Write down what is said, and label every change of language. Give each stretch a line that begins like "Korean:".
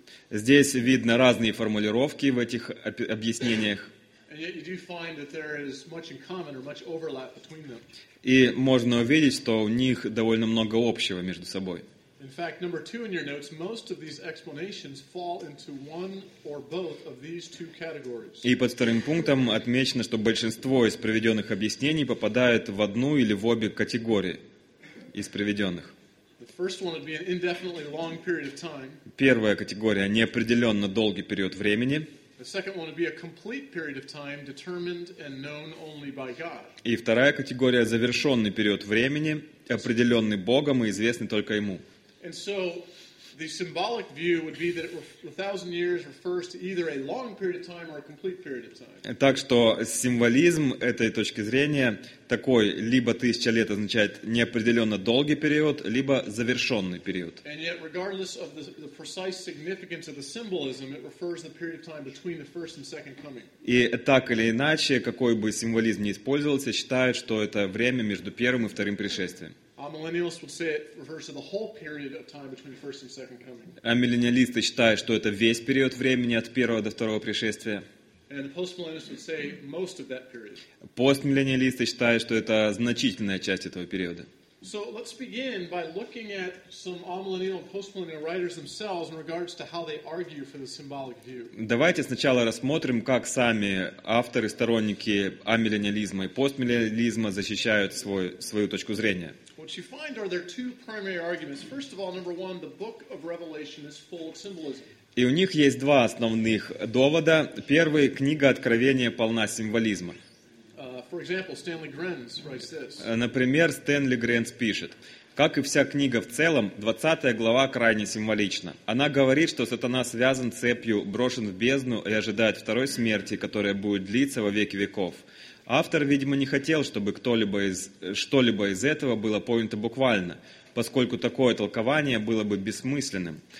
Russian: Здесь видно разные формулировки в этих объяснениях.
English: And yet you do find that there is much in common or much overlap between them.
Russian: И можно увидеть, что у них довольно много общего между собой.
English: In fact, number two in your notes, most of these explanations fall into one or both of these two categories.
Russian: И под вторым пунктом отмечено, что большинство из приведенных объяснений попадает в одну или в обе категории из приведенных.
English: The first one would be an indefinitely long period of time.
Russian: Первая категория — неопределенно долгий период времени.
English: The second one would be a complete period of time determined and known only by God.
Russian: И вторая категория – завершенный период времени, определенный Богом и известный только Ему.
English: And so, the symbolic view would be that a thousand years refers to either a long period of time or a complete period of time.
Russian: Так что символизм этой точки зрения такой: либо тысяча лет означает неопределенно долгий период, либо завершенный период.
English: And yet, regardless of the precise significance of the symbolism, it refers to the period of time between the first and second coming.
Russian: И так или иначе, какой бы символизм ни использовался, считают, что это время между первым и вторым пришествием.
English: Amillennialists would say it refers to the whole period of time between the first and second coming.
Russian: Амиллениалисты считают, что это весь период времени от первого до второго пришествия.
English: And the postmillennialists would say most of that period.
Russian: Постмиллениалисты считают, что это значительная часть этого периода.
English: So let's begin by looking at some amillennial and postmillennial writers themselves in regards to how they argue for the symbolic view.
Russian: Давайте сначала рассмотрим, как сами авторы, сторонники амиллениализма и постмиллениализма защищают свою точку зрения.
English: What you find are there two primary arguments. First of all, number one, the book of Revelation is full of symbolism.
Russian: И у них есть два основных довода. Первый – книга Откровения полна символизма.
English: For example, Stanley Grenz writes this.
Russian: Например, Стэнли Грэнс пишет: «Как и вся книга в целом, 20 глава крайне символична. Она говорит, что сатана связан цепью, брошен в бездну и ожидает второй смерти, которая будет длиться во веки веков». Автор, видимо, не хотел, чтобы что-либо из этого было понято буквально, поскольку такое толкование было бы бессмысленным.